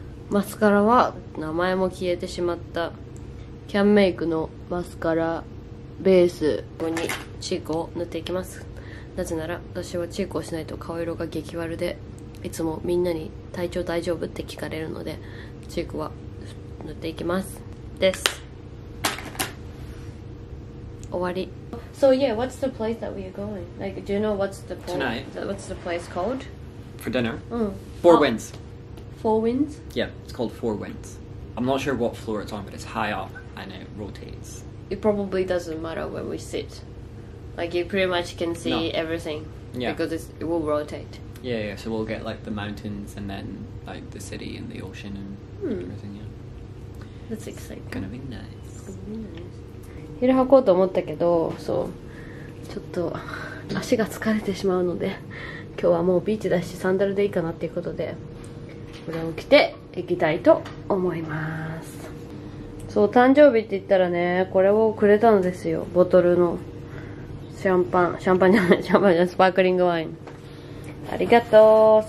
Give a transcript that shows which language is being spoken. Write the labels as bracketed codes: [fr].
[ja] マスカラは名前も消えてしまったキャンメイクのマスカラベース、ここにチークを塗っていきます。なぜなら私はチークをしないと顔色が激悪で、いつもみんなに体調大丈夫って聞かれるので、チークは塗っていきますです。終わり。 [en] So yeah, what's the place that we're going? Like, do you know what's the place? Tonight. What's the place called? For dinner? Four Winds. Four Winds? Yeah, it's called Four Winds. I'm not sure what floor it's on, but it's high up and it rotates. It probably doesn't matter when we sit. Like, you pretty much can see everything. Yeah. Because it will rotate. Yeah, yeah. So we'll get like the mountains and then like the city and the ocean and everything, yeah. That's exciting. It's gonna be nice. It's gonna be nice. [ja] 昼履こうと思ったけど、そうちょっと足が疲れてしまうので、今日はもうビーチだしサンダルでいいかなっていうことでこれを着て行きたいと思います。そう、誕生日って言ったらね、これをくれたのですよ。ボトルのシャンパン、シャンパンじゃない、シャンパンじゃない、スパークリングワイン、ありがとう。